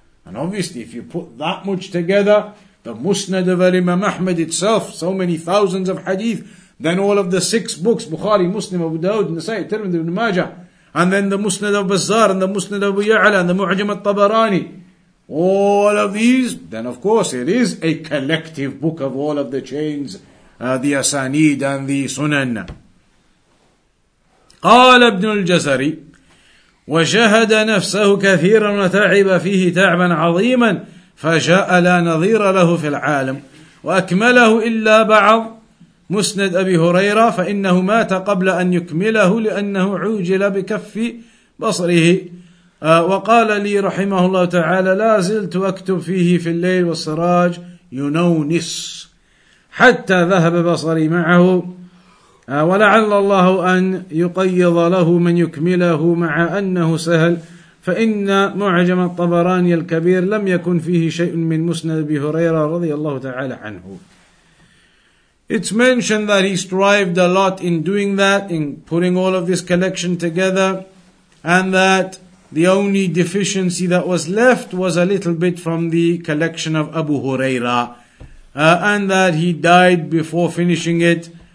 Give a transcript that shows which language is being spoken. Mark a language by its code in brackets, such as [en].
[en] And obviously, if you put that much together, the Musnad of Imam Ahmad itself, so many thousands of hadith, then all of the six books, Bukhari, Muslim, Abu Dawud, Nasa'i, Tirmidhi, Ibn Majah, and then the Musnad of Bazzar, and the Musnad of Abu Ya'la, and the Mu'jam al-Tabarani, all of these, then of course it is a collective book of all of the chains, the Asanid and the Sunan. [ar] Qala Ibn al-Jazari, وَجَهَدَ نَفْسَهُ كَثِيرًا وَتَعِبَ فِيهِ تَعْبًا عَظِيمًا فَجَاءَ لَا نَظِيرَ لَهُ فِي الْعَالَمِ وَأَكْمَلَهُ إِلَّا بَعَضُ مُسْنَدْ أَبِي هُرَيْرَى فَإِنَّهُ مَاتَ قَبْلَ أَنْ يُكْمِلَهُ لِأَنَّهُ عُوجِلَ بِكَفِّ بَصْرِهِ وَقَالَ لِي رَحِمَهُ اللَّهُ تَعَالَى لَا زِلْتُ أَكْتُبُ فِيهِ فِي اللَّيْلِ وَالسِّرَاجِ يُنَوْنِسُ حَتَّى ذَهَبَ بَصَرِي مَعَهُ ولعل الله أن يقيض له من يكمله مع أنه سهل فإن معجم الطبراني الكبير لم يكن فيه شيء من مسند أبي هريرة رضي الله تعالى عنه. [en] It's mentioned that he strived a lot in doing that, in putting all of this collection together, and that the only deficiency that was left was a little bit from the collection of Abu Huraira, and that he died before finishing it.